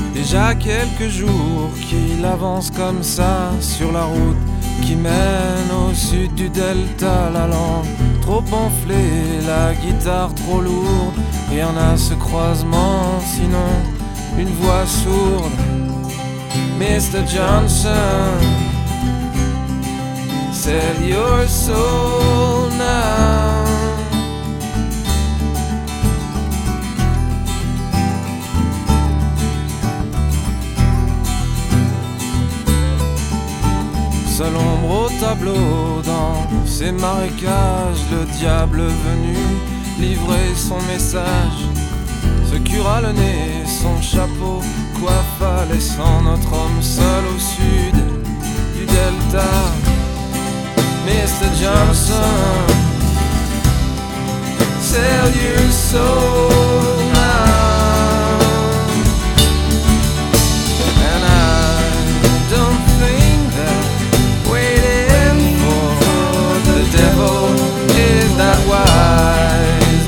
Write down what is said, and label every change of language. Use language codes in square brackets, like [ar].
[fr] déjà quelques jours qu'il avance comme ça sur la route qui mène au sud du delta. La lampe trop enflée, la guitare trop lourde, rien à ce croisement sinon une voix sourde. [en] Mr. Johnson, sell your soul now. [fr] Seule ombre au tableau, dans ces marécages, le diable venu livrer son message, se cura le nez, son chapeau coiffa, laissant notre homme seul au sud du delta. [en] Mr. Johnson, sell your soul now. And I don't think that waiting for the devil is that wise.